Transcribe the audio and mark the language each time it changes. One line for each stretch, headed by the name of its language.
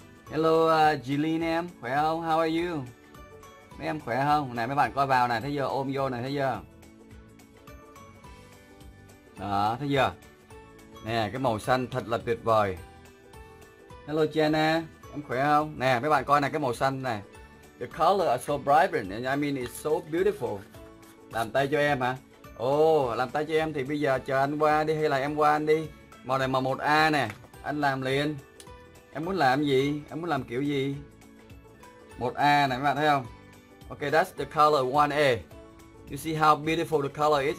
Vietnamese: Hello Jilin em, khỏe không?
English: How are you?
Vietnamese: Mấy em khỏe không? Này mấy bạn coi vào này, thấy chưa? Ôm vô này, thấy chưa? Đó, thấy chưa? Nè, cái màu xanh thật là tuyệt vời. Hello Jenna, em khỏe không? Nè, mấy bạn coi này, cái màu xanh này.
English: The color are so vibrant, and I mean it's so beautiful.
Vietnamese: Làm tay cho em hả? Ồ, làm tay cho em thì bây giờ chờ anh qua đi hay là em qua anh đi. Màu này màu 1A nè, anh làm liền. Em muốn làm gì? Em muốn làm kiểu gì? 1A này, mấy bạn thấy không?
English: Okay, that's the color 1A. You see how beautiful the color is?